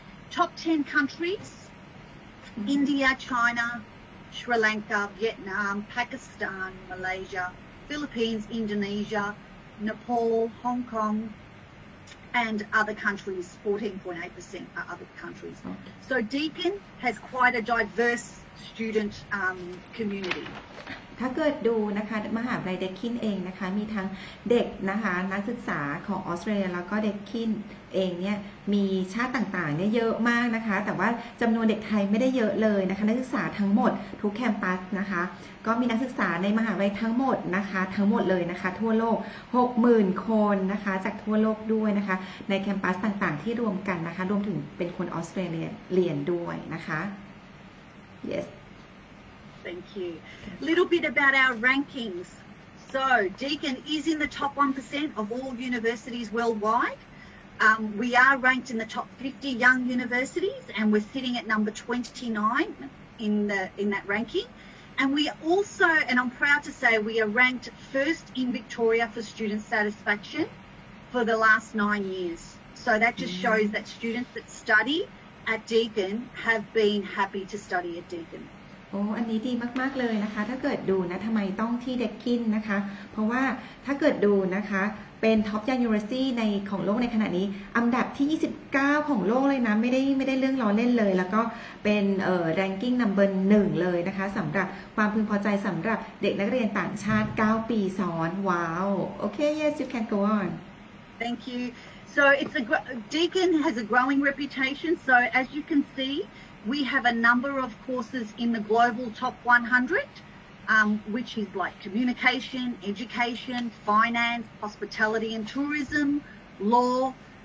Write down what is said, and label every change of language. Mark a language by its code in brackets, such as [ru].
[en] Top 10 countries, India, China, Sri Lanka, Vietnam, Pakistan, Malaysia, Philippines, Indonesia, Nepal, Hong Kong,and other countries, 14.8% are other countries. So Deakin has quite a diverse student community. [th] ถ้าเกิดดูนะคะมหาวิทยาลัยเดคินเองนะคะมีทั้งเด็กนะคะนักศึกษาของออสเตรเลียแล้วก็เดคินเองเนี่ยมีชาติต่างๆเนี่ยเยอะมากนะคะแต่ว่าจำนวนเด็กไทยไม่ได้เยอะเลยนะคะนักศึกษาทั้งหมดทุกแคมปัสนะคะก็มีนักศึกษาในมหาวิทยาลัยทั้งหมดนะคะทั้งหมดเลยนะคะทั่วโลก 60,000 คนนะคะจากทั่วโลกด้วยนะคะในแคมปัสต่างๆที่รวมกันนะคะรวมถึงเป็นคนออสเตรเลียเรียนด้วยนะคะ yes [en] Thank you. A little bit about our rankings. So Deakin is in the top 1% of all universities worldwide. We are ranked in the top 50 young universities, and we're sitting at number 29 in that ranking. And we also, and I'm proud to say, we are ranked first in Victoria for student satisfaction for the last 9 years. So that just shows that students that study at Deakin have been happy to study at Deakin. [th] โอ้อันนี้ดีมากๆเลยนะคะถ้าเกิดดูนะทำไมต้องที่เด็กกินนะคะเพราะว่าถ้าเกิดดูนะคะเป็นท็อปยูนิเวอร์ซิตี้ในของโลกในขณะนี้อันดับที่29ของโลกเลยนะไม่ได้เรื่องล้อเล่นเลยแล้วก็เป็นแรงกิ้งนัมเบอร์1เลยนะคะสำหรับความพึงพอใจสำหรับเด็กนักเรียนต่างชาติ9ปีซ้อนว้าวโอเค [en] yes you can go on thank you so it's Deakin has a growing reputation so as you can seeWe have a number of courses in the global top 100, which is like communication, education, finance, hospitality and tourism, law,